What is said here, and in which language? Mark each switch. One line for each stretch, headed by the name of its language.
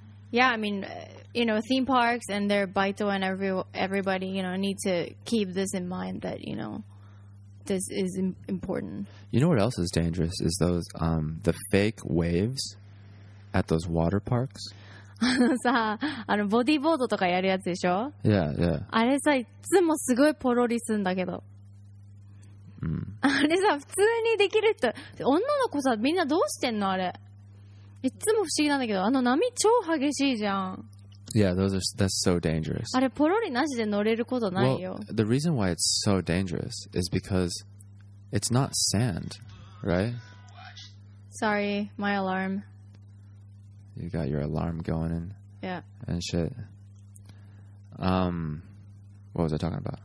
English: Yeah, I mean, you know, theme parks and their baito and everybody, you know, need to keep this in mind that, you know, this is important. You know what else is dangerous is those the fake waves at those water parks.
Japanese: さあ、あのボディーボードとかやるやつでしょ?
English: Yeah.
Japanese: あれさ、いつもすごいポロリすんだけど。あれさ、普通にできる人、女の子さ、みんなどうしてんのあれ。いつも不思議なんだけど、あの波超激しいじゃん。
English: Yeah, that's so dangerous.
Japanese: あれポロリなしで乗れることないよ。
English: Well, the reason why it's so dangerous is because it's not sand, right? Sorry, my alarm. You got your alarm going in. Yeah. And shit. What was I talking about?